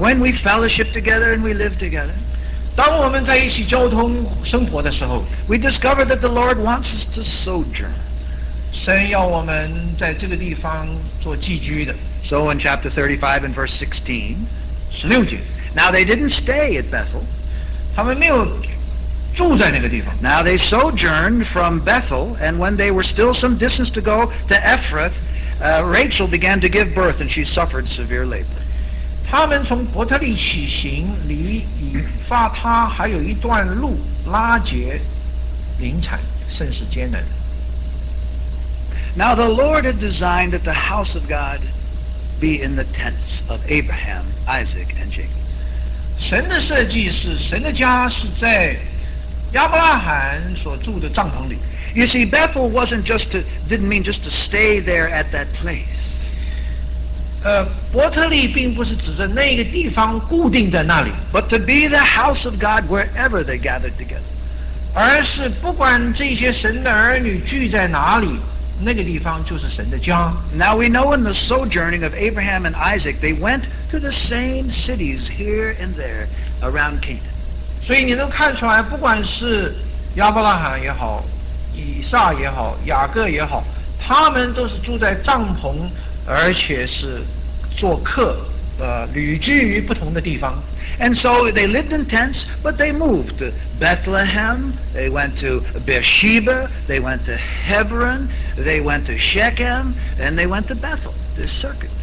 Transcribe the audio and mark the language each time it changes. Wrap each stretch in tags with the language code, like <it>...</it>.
<en>When we fellowship together and we live together,</en> <zh>当我们在一起交通生活的时候，</zh> <en>we discover that the Lord wants us to sojourn.</en> <zh>神要我们在这个地方做寄居的。</zh> <en>So in chapter 35 and verse 16,</en> <zh>十六节。</zh> <en>Now they didn't stay at Bethel.</en> <zh>他们没有住在那个地方。</zh> <en>Now they sojourned from Bethel, and when they were still some distance to go to Ephrath,Rachel began to give birth, and she suffered severe labor.</en> <zh>他们从伯特利起行，离以法他还有一段路，拉结临产，甚是艰难。</zh> <en>Now the Lord had designed that the house of God be in the tents of Abraham, Isaac, and Jacob.</en> <zh>神的设计是神的家是在亚伯拉罕所住的帐篷里。</zh> <en>You see, Bethel wasn't just to, didn't mean just to stay there at that place.</en> <zh>伯特利并不是指着那个地方固定在那里。</zh> <en>But to be the house of God wherever they gathered together.</en> <zh>而是不管这些神的儿女聚在哪里，那个地方就是神的家。</zh> <en>Now we know in the sojourning of Abraham and Isaac, they went to the same cities here and there around Canaan.</en> <zh>所以你能看出来，不管是亚伯拉罕也好，以撒也好，雅各也好，他们都是住在帐篷，而且是做客，旅居于不同的地方。</zh> <en>And so they lived in tents, but they moved to Bethlehem, they went to Beersheba, they went to Hebron, they went to Shechem, and they went to Bethel, this circuit.</en>